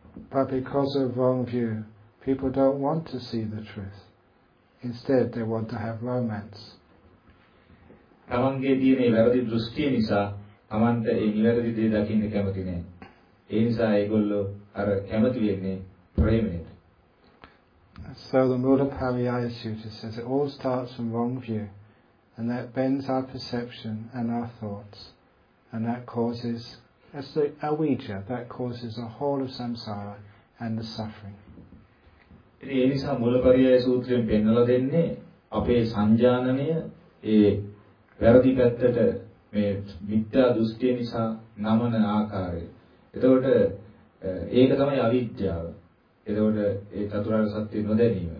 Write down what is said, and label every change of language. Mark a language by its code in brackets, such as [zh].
[en] But because of wrong view, people don't want to see the truth. Instead, they want to have romance. [si] තමන්ගේ තියෙන වැරදි දෘෂ්ටිය නිසා තමන්ට ඒ නිවැරදි දේ දකින්න කැමති නෑ. ඒ නිසා ඒගොල්ලෝ අර කැමති වෙන්නේ ප්‍රේමයට. [en] So the Nodapariyaya Sutta says it all starts from wrong view and that bends our perception and our thoughts and that causes as the avijja that causes the whole of samsara and the suffering. [si] ඒ නිසා මූලපරියාය සූත්‍රයෙන් පෙන්වලා දෙන්නේ අපේ සංජානනය ඒ වැරදි පැත්තට මේ මිත්‍යා දෘෂ්ටිය නිසා නමන ආකාරය. එතකොට ඒක තමයි අවිද්‍යාව. එතකොට ඒ චතුරාර්ය සත්‍ය නොදැනීම.